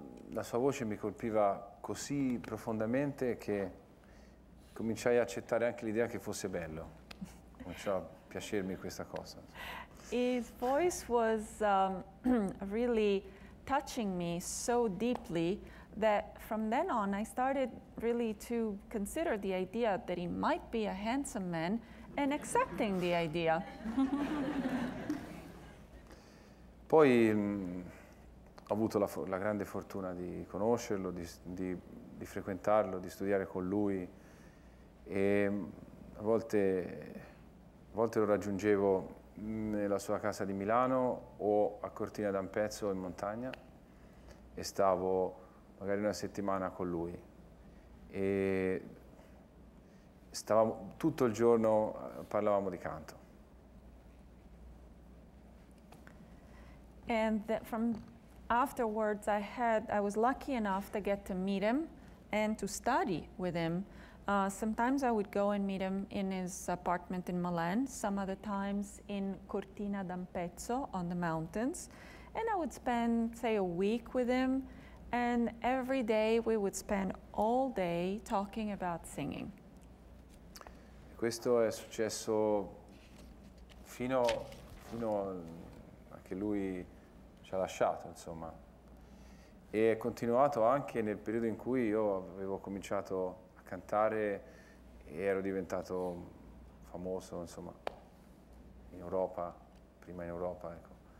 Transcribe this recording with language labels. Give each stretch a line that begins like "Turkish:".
Italian: La sua voce mi colpiva così profondamente che cominciai a accettare anche l'idea che fosse bello. Cominciò a piacermi questa cosa.
English: His voice was really touching me so deeply that from then on I started really to consider the idea that he might be a handsome man and accepting the idea.
Italian: Poi ho avuto la grande fortuna di conoscerlo, di frequentarlo, di studiare con lui e a volte lo raggiungevo nella sua casa di Milano o a Cortina d'Ampezzo in montagna e stavo magari una settimana con lui e stavamo tutto il giorno, parlavamo di canto.
English: And that from afterwards, I was lucky enough to get to meet him and to study with him. Sometimes I would go and meet him in his apartment in Milan, some other times in Cortina d'Ampezzo on the mountains. And I would spend, say, a week with him. And every day we would spend all day talking about singing.
Italian: Questo è successo fino a che lui ci ha lasciato, insomma. E è continuato anche nel periodo in cui io avevo cominciato a cantare e ero diventato famoso, insomma, in Europa, prima in Europa, ecco.